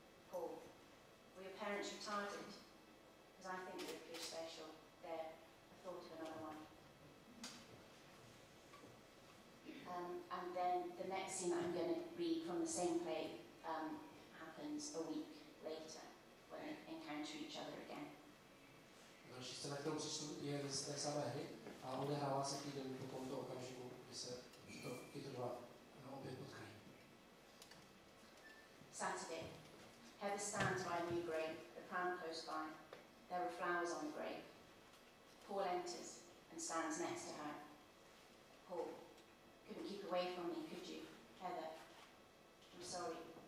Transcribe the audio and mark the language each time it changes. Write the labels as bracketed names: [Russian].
[English] Paul, were your parents retarded? Because I think you're pretty special. There, I thought of another one. And then the next scene I'm going to read from the same play happens a week later when they encounter each other again. [Czech] Další scéna, kterou přečtu, je z té samé hry a odehrává se týden po tomto okamžiku, kdy se tyto dva opět potkají. [English] Saturday. Heather stands by a new grave, the pram close by. There are flowers on the grave. Paul enters and stands next to her. Paul. Couldn't keep away from me, could you? Heather, I'm sorry.